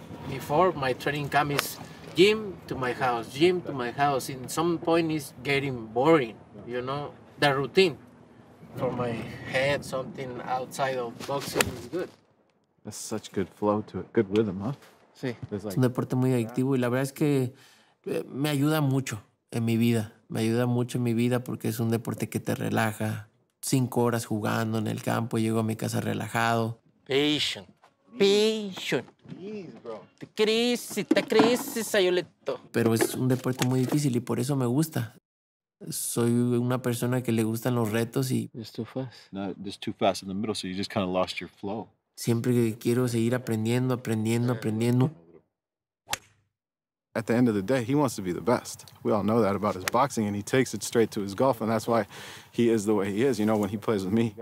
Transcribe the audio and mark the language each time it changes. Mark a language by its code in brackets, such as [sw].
[en] Before, my training camp is gym to my house, gym to my house. In some point, it's getting boring, you know? The routine for my head, something outside of boxing is good. That's such good flow to it, good rhythm, huh? Sí. Like... [es] Es un deporte muy adictivo y la verdad es que me ayuda mucho en mi vida. Me ayuda mucho en mi vida porque es un deporte que te relaja. 5 horas jugando en el campo, llego a mi casa relajado. [en] Patient. Patient. [es] Te crisis, Ayoleto. Pero es un deporte muy difícil y por eso me gusta. Soy una persona que le gustan los retos y... [en] It's too fast. No, it's too fast in the middle, so you just kind of lost your flow. [es] Siempre quiero seguir aprendiendo. [en] At the end of the day, he wants to be the best. We all know that about his boxing, and he takes it straight to his golf, and that's why he is the way he is, you know, when he plays with me.